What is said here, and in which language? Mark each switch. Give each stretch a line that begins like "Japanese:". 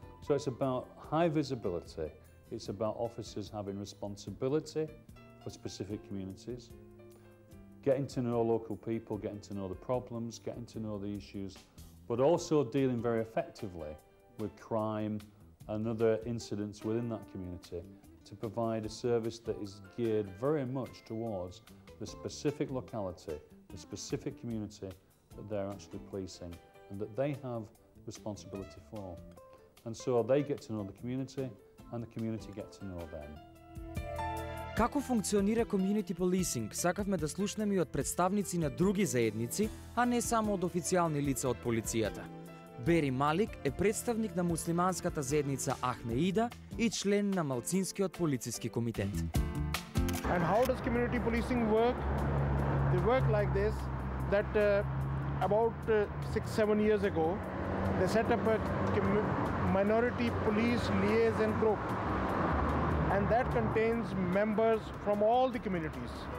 English: So it's about high visibility. It's about officers having responsibility for specific communities, getting to know local people, getting to know the problems, getting to know the issues, but also dealing very effectively with crime, another incidents within that community, to provide a service that is geared very much towards the specific locality, the specific community that they're actually policing and that they have responsibility for. And so they get to know the community and the community get to know them.
Macedonian: Како функционира community policing, сакавме да слушнеме од представници на други заедници, а не само од официјални лица од полицијата. Бери Малик е представник на муслиманската заедница Ахмеида и член на малцинскиот полициски комитет.
English: And how does community policing work? They work like this, that about 6-7 years ago, they set up a minority police liaison group, and that contains members from all the communities.